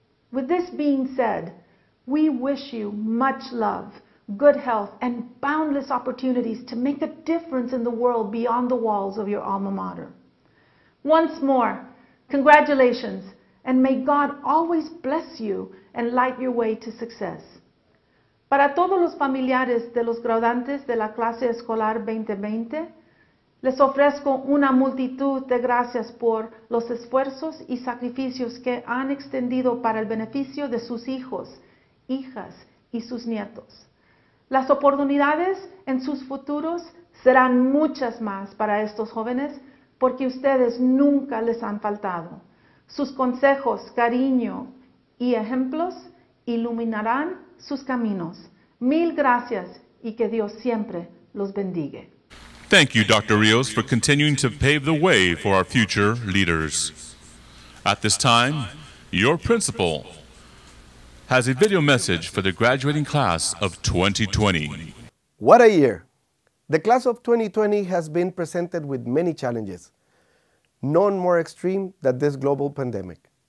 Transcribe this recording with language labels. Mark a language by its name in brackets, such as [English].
[English] With this being said, we wish you much love, good health, and boundless opportunities to make a difference in the world beyond the walls of your alma mater. Once more, congratulations, and may God always bless you and light your way to success. [Spanish] Para todos los familiares de los graduantes de la clase escolar 2020, les ofrezco una multitud de gracias por los esfuerzos y sacrificios que han extendido para el beneficio de sus hijos, hijas y sus nietos. Las oportunidades en sus futuros serán muchas más para estos jóvenes porque ustedes nunca les han faltado. Sus consejos, cariño y ejemplos iluminarán sus caminos. Mil gracias y que Dios siempre los bendiga. [English] Thank you, Dr. Rios, for continuing to pave the way for our future leaders. At this time, your principal has a video message for the graduating class of 2020. What a year! The class of 2020 has been presented with many challenges, none more extreme than this global pandemic.